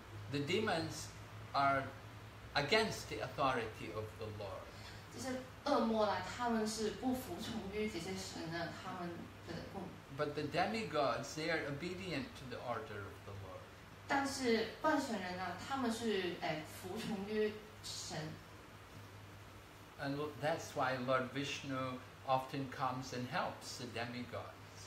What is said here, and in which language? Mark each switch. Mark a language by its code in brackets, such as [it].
[en] The demons are against the authority of the Lord. [zh] 这些恶魔呢，他们是不服从于这些神的，他们的供。 [en] But the demigods, they are obedient to the order of the Lord. [zh] 但是半神人呢，他们是服从于神。 [en] And that's why Lord Vishnu often comes and helps the demigods.